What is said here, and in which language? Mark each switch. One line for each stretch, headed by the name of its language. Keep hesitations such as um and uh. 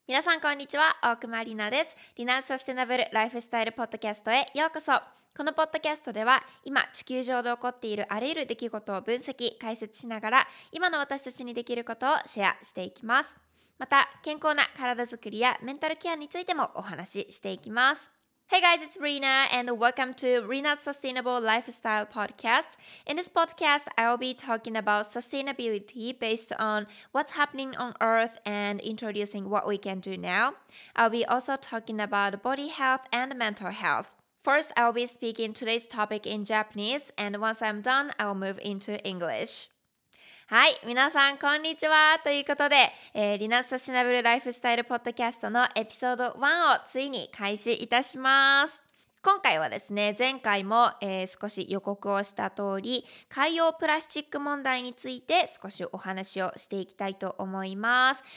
Japanese: 皆さんこんにちは大熊里奈ですリナーズサステナブルライフスタイルポッドキャストへようこそこのポッドキャストでは今地球上で起こっているあらゆる出来事を分析解説しながら今の私たちにできることをシェアしていきますまた健康な体づくりやメンタルケアについてもお話ししていきます
English: Hey guys, it's Rena, and welcome to Rena's Sustainable Lifestyle Podcast. In this podcast, I'll be talking about sustainability based on what's happening on Earth and introducing what we can do now. I'll be also talking about body health and mental health. First, I'll be speaking today's topic in Japanese, and once I'm done, I'll move into English.
Japanese: はい、皆さん、こんにちは。ということで、えー、リナスサステナブルライフスタイルポッドキャストのエピソード1をついに開始いたします。今回はですね、前回も、えー少し予告をした通り、海洋プラスチック問題について少しお話をしていきたいと思います。